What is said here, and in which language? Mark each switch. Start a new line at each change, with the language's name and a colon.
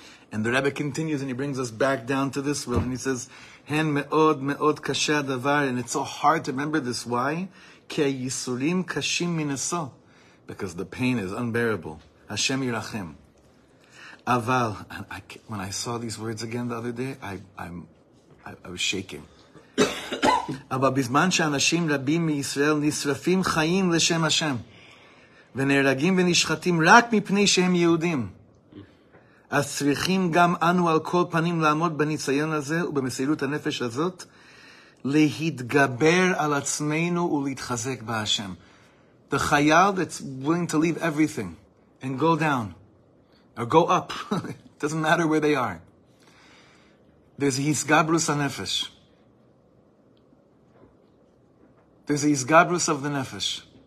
English: And the Rebbe continues and he brings us back down to this world and he says,
Hebrew: הן מאוד מאוד קשה הדבר,
English: and it's so hard to remember this. Why?
Hebrew: כי היסורים קשים מנשוא.
English: Because the pain is unbearable.
Hebrew: השם ירחם.
English: אבל, when I saw these words again the other day, I was shaking.
Hebrew: אבל בזמן שאנשים רבים מישראל נשרפים חיים לשם השם, ונהרגים ונשחטים רק מפני שהם יהודים, אז צריכים גם אנו על כל פנים לעמוד בניסיון הזה ובמסירות הנפש הזאת, להתגבר על עצמנו ולהתחזק בהשם.
English: The חייל that's willing to leave everything and go down, or go up, it doesn't matter where they are. There's a הסגברוס הנפש. There's a הסגברוס of the נפש.